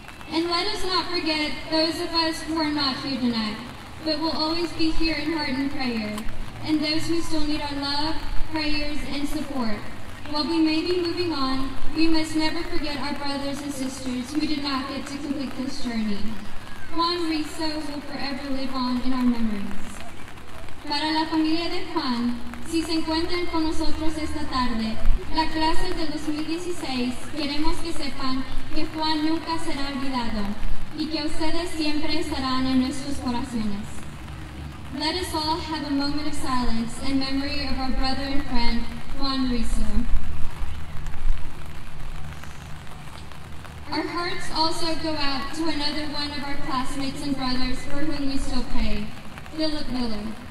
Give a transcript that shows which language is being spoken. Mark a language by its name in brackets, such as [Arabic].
[English] And let us not forget those of us who are not here tonight, but will always be here in heart and prayer, and those who still need our love, prayers, and support. While we may be moving on, we must never forget our brothers and sisters who did not get to complete this journey. Juan Riso will forever live on in our memories. [Spanish] Para la familia de Juan, si se encuentran con nosotros esta tarde, la clase de 2016, queremos que sepan que Juan nunca será olvidado y que ustedes siempre estarán en nuestros corazones. [English] Let us all have a moment of silence in memory of our brother and friend, Juan Riso. Our hearts also go out to another one of our classmates and brothers for whom we still pray, Philip Miller.